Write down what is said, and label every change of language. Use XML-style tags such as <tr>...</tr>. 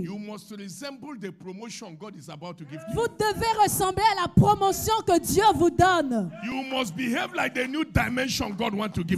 <en>You must resemble the promotion God is about to give you.</en> <fr>Vous devez ressembler à la promotion que Dieu vous donne.</fr> <en>You must behave like the new dimension God wants to give</en>